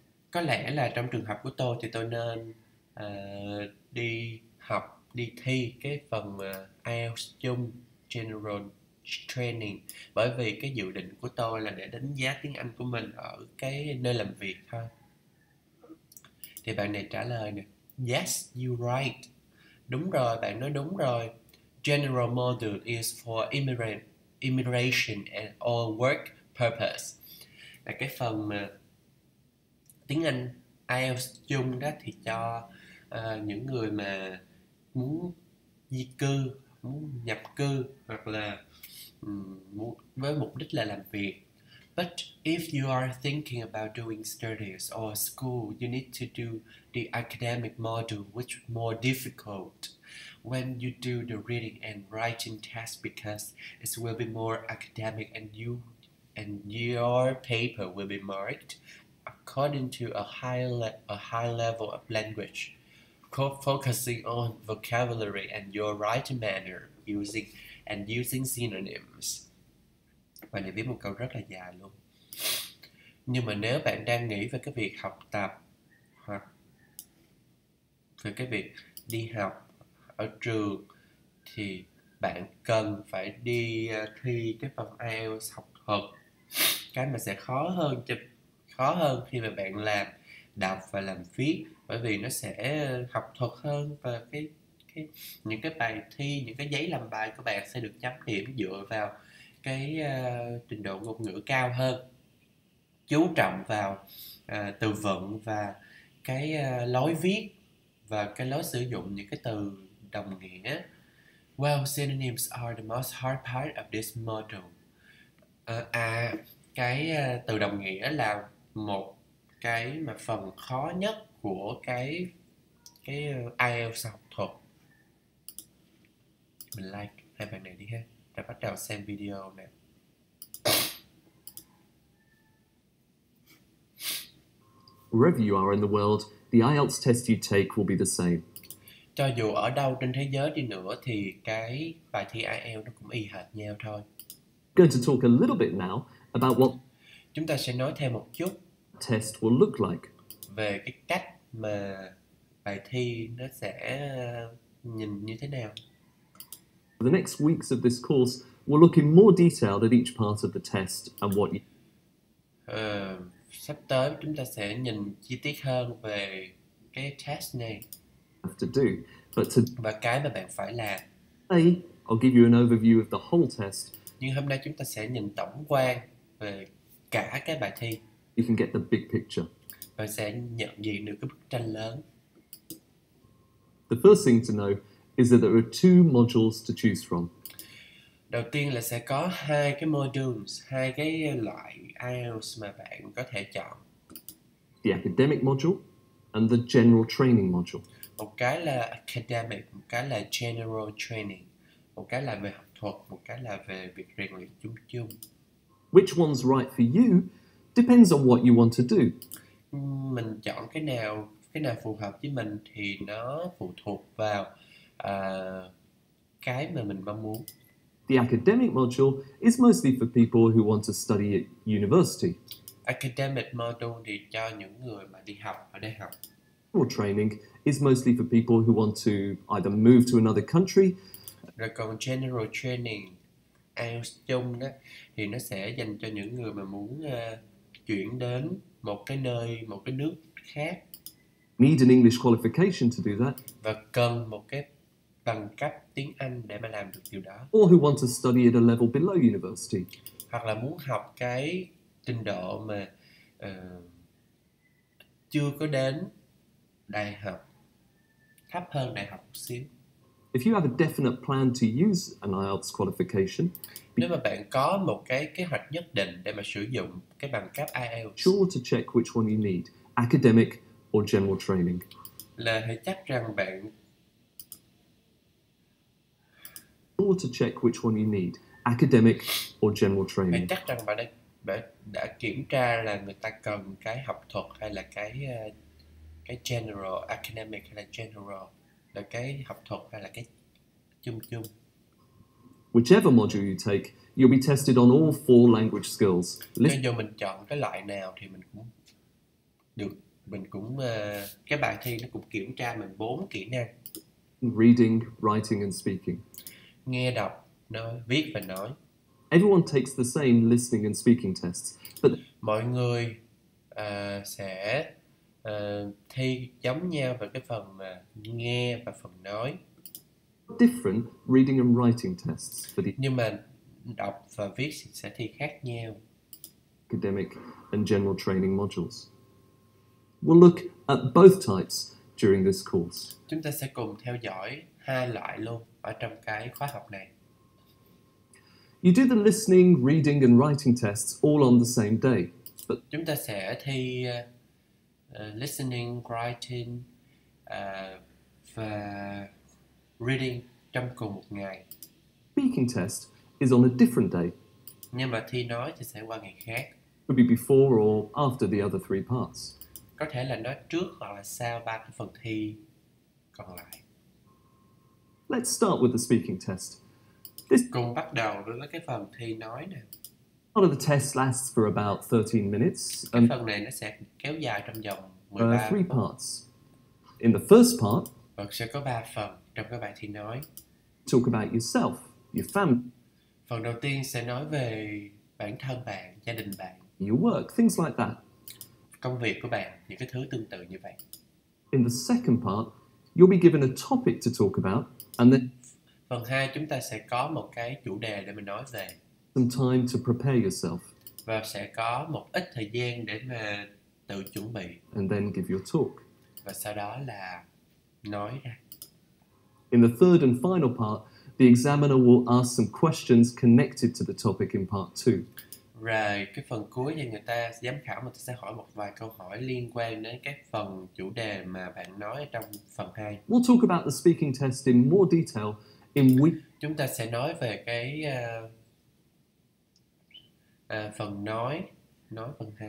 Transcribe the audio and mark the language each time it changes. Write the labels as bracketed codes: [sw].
[vi] Có lẽ là trong trường hợp của tôi thì tôi nên đi học, đi thi cái phần IELTS chung, General Training, bởi vì cái dự định của tôi là để đánh giá tiếng Anh của mình ở cái nơi làm việc thôi. Thì bạn này trả lời nè. [en] Yes, you right. [vi] Đúng rồi, bạn nói đúng rồi. [en] General module is for immigration and all work purpose. [vi] Là cái phần tiếng Anh IELTS chung đó thì cho những người mà muốn di cư, muốn nhập cư hoặc là với mục đích là làm việc. [en] But if you are thinking about doing studies or school, you need to do the academic module, which is more difficult when you do the reading and writing test because it will be more academic and you and your paper will be marked according to a high level of language, focusing on vocabulary and your writing manner, using synonyms. [vi] Bạn này viết một câu rất là dài luôn. Nhưng mà nếu bạn đang nghĩ về cái việc học tập hoặc về cái việc đi học ở trường thì bạn cần phải đi thi cái phần IELTS học thuật. Cái mà sẽ khó hơn cho khó hơn khi mà bạn làm đọc và làm viết, bởi vì nó sẽ học thuật hơn, và những cái bài thi, những cái giấy làm bài của bạn sẽ được chấm điểm dựa vào cái trình độ ngôn ngữ cao hơn, chú trọng vào từ vựng và cái lối viết và cái lối sử dụng những cái từ đồng nghĩa. [en] Well, synonyms are the most hard part of this module. [vi] Cái từ đồng nghĩa là một cái mà phần khó nhất của cái IELTS học thuật. Mình like hai bạn này đi ha. Đã bắt đầu xem video nè. [en] Wherever you are in the world, the IELTS test you take will be the same. [vi] Cho dù ở đâu trên thế giới đi nữa thì cái bài thi IELTS nó cũng y hệt nhau thôi. [en] Going to talk a little bit now about what [vi] chúng ta sẽ nói thêm một chút [en] test will look like. [vi] Về cái cách mà bài thi nó sẽ nhìn như thế nào. [en] For the next weeks of this course, we'll look in more detail at each part of the test and what you [vi] sắp tới chúng ta sẽ nhìn chi tiết hơn về cái test này [en] have to do, but to [vi] và cái mà bạn phải làm. [en] Hey, I'll give you an overview of the whole test. [vi] Nhưng hôm nay chúng ta sẽ nhìn tổng quan về cả cái bài thi. [en] You can get the big picture. [vi] Bạn sẽ nhận diện được cái bức tranh lớn. [en] The first thing to know is that there are two modules to choose from. [vi] Đầu tiên là sẽ có hai cái modules, hai cái loại IELTS mà bạn có thể chọn. [en] The academic module and the general training module. [vi] Một cái là academic, một cái là general training. Một cái là về học thuật, một cái là về việc rèn luyện chung chung. [en] Which one's right for you depends on what you want to do. [vi] Mình chọn cái nào phù hợp với mình thì nó phụ thuộc vào cái mà mình mong muốn. [en] The academic module is mostly for people who want to study at university. [vi] Academic module thì cho những người mà đi học ở đại học. [en] General training is mostly for people who want to either move to another country. [vi] Rồi còn general training, IELTS chung đó, thì nó sẽ dành cho những người mà muốn chuyển đến một cái nơi, một cái nước khác. [en] Need an English qualification to do that. [vi] Và cần một cái bằng cấp tiếng Anh để mà làm được điều đó. [en] Or who want to study at a level below university. [vi] Hoặc là muốn học cái trình độ mà chưa có đến đại học, thấp hơn đại học một xíu. [en] If you have a definite plan to use an IELTS qualification, [vi] nếu mà bạn có một cái kế hoạch nhất định để mà sử dụng cái bằng cấp IELTS, [en] sure to check which one you need, academic or general training. [vi] Là hãy chắc rằng bạn [en] sure to check which one you need, academic or general training. [vi] Bạn chắc rằng bạn đã kiểm tra là người ta cần cái học thuật hay là cái general, academic hay là general. Là cái học thuật hay là cái chung chung. [en] Whichever module you take, you'll be tested on all four language skills. [vi] Nên dù mình chọn cái loại nào thì mình cũng được, mình cũng cái bài thi nó cũng kiểm tra mình bốn kỹ năng. [en] Reading, writing and speaking. [vi] Nghe đọc, nói, viết và nói. [en] Everyone takes the same listening and speaking tests, but [vi] mọi người sẽ thi giống nhau về cái phần nghe và phần nói. [en] Different reading and writing tests for the [vi] nhưng mà đọc và viết sẽ thi khác nhau. [en] Academic and general training modules. We'll look at both types during this course. [vi] Chúng ta sẽ cùng theo dõi hai loại luôn ở trong cái khóa học này. [en] You do the listening, reading and writing tests all on the same day. But [vi] chúng ta sẽ thi listening, writing và reading trong cùng một ngày. [en] Speaking test is on a different day. [vi] Nhưng mà thi nói thì sẽ qua ngày khác. [en] Could be before or after the other three parts. [vi] Có thể là nói trước hoặc là sau ba cái phần thi còn lại. [en] Let's start with the speaking test. This [vi] cùng bắt đầu với cái phần thi nói nè. [en] Part of the test lasts for about 13 minutes. [vi] Cái phần này nó sẽ kéo dài trong vòng 13 [en] three parts. In the first part, [vi] và sẽ có 3 phần trong cái bài thi nói. [en] Talk about yourself, your family. [vi] Phần đầu tiên sẽ nói về bản thân bạn, gia đình bạn. [en] Your work, things like that. [vi] công việc của bạn, những cái thứ tương tự như vậy. [en] In the second part, you'll be given a topic to talk about, and then [vi] phần 2 chúng ta sẽ có một cái chủ đề để mình nói về. [en] Some time to prepare yourself. [vi] Và sẽ có một ít thời gian để mà tự chuẩn bị. [en] And then give your talk. [vi] Và sau đó là nói ra. [en] In the third and final part, the examiner will ask some questions connected to the topic in part 2. [vi] Rồi, cái phần cuối thì người ta giám khảo mà sẽ hỏi một vài câu hỏi liên quan đến các phần chủ đề mà bạn nói trong phần 2. [en] We'll talk about the speaking test in more detail in week. [vi] Chúng ta sẽ nói về cái phần nói phần 2